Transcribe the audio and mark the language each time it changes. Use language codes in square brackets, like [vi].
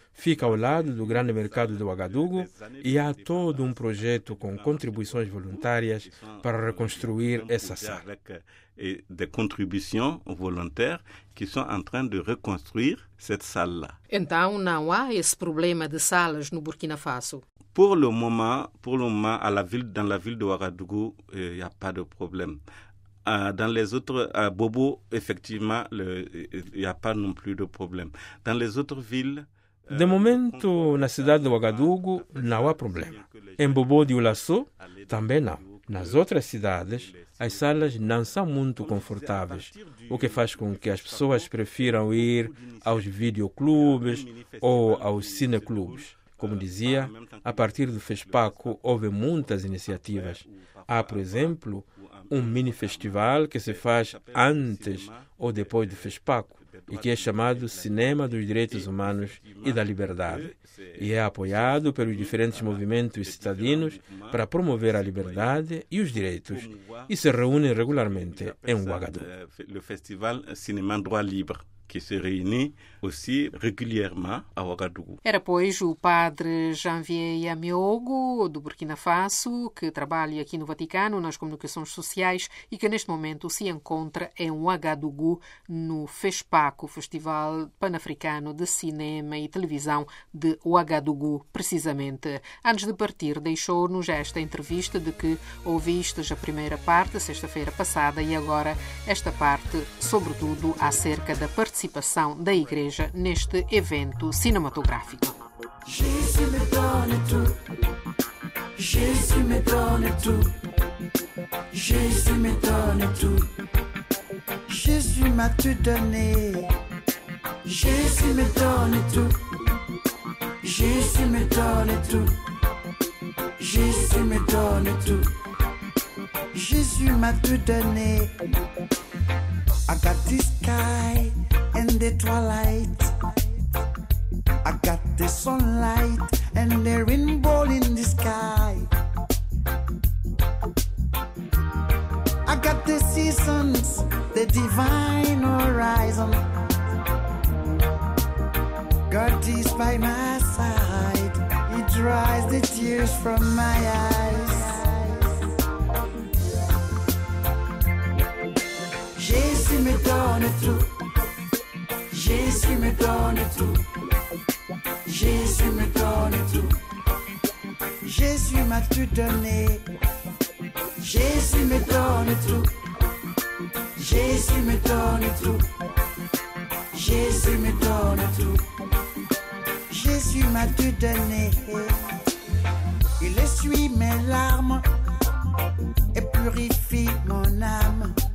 [pt] fica ao lado do grande mercado de Ouagadougou e há todo um projeto com contribuições voluntárias para reconstruir essa sala. E de contribuições voluntárias que estão em [fr] train de [pt] reconstruir essa sala. Então, não há esse problema de salas no Burkina Faso? [fr] Pour le moment, dans la ville de Ouagadougou, il n'y a pas de problème. Dans les autres, à Bobo, effectivement, il n'y a pas non plus de problème. Dans les autres villes, [pt] de momento, na cidade de Ouagadougou, não há problema. Em Bobo de Ulaçu, também não. Nas outras cidades, as salas não são muito confortáveis, o que faz com que as pessoas prefiram ir aos videoclubes ou aos cineclubes. Como dizia, a partir do FESPACO houve muitas iniciativas. Há, por exemplo, um mini-festival que se faz antes ou depois do FESPACO e que é chamado Cinema dos Direitos Humanos e da Liberdade. E é apoiado pelos diferentes movimentos cidadinos para promover a liberdade e os direitos. E se reúne regularmente em Ouagadougou. O Festival Cinema Droit Libre, que se reúne [fr] aussi régulièrement à Ouagadougou. [pt] Era, pois, o padre Janvier Amiogo, do Burkina Faso, que trabalha aqui no Vaticano nas comunicações sociais e que neste momento se encontra em Ouagadougou no FESPACO, Festival Panafricano de Cinema e Televisão de Ouagadougou, precisamente. Antes de partir, deixou-nos esta entrevista de que ouvistes a primeira parte, sexta-feira passada, e agora esta parte, sobretudo, acerca da participação da Igreja neste evento cinematográfico. [fr] Jésus me donne tout, Jésus me donne tout, Jésus me donne tout, Jésus m'a tout donné, Jésus me donne tout, Jésus me donne tout, Jésus me donne tout, Jésus m'a tout donné. [en] I got the sky and the twilight, I got the sunlight and the rainbow in the sky. I got the seasons, the divine horizon. God is by my side, He dries the tears from my eyes. [fr] Jésus me donne tout, Jésus me donne tout, Jésus me donne tout, Jésus m'a tout donné, Jésus me donne tout, Jésus me donne tout, Jésus me donne tout, Jésus m'a tout donné, il essuie mes larmes et purifie mon âme.